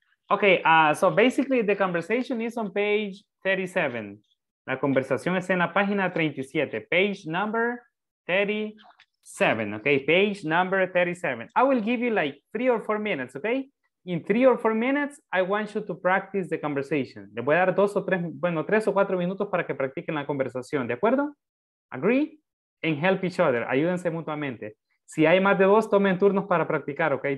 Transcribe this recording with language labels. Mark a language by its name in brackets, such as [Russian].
[English] Okay. So basically the conversation is on page 37. [Spanish] La conversación es en la página 37, [English] page number 37, okay? Page number 37. I will give you like 3 or 4 minutes, okay? In 3 or 4 minutes, I want you to practice the conversation. [Spanish] Le voy a dar 3 o 4 minutos para que practiquen la conversación, ¿de acuerdo? Agree? [English] And help each other, [Spanish] ayúdense mutuamente. Si hay más de 2, tomen turnos para practicar, okay?